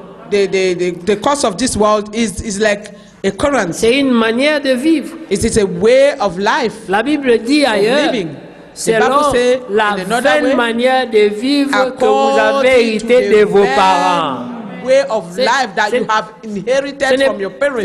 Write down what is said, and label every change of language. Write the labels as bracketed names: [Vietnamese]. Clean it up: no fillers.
[English] The course of this world is like a current. [French] C'est une manière de vivre. [English] It's a way of life. [French] La Bible dit ailleurs [English] living. [French] Selon la vaine manière de vivre que vous avez hérité de vos parents. [English] Way of life that you have inherited from your parents.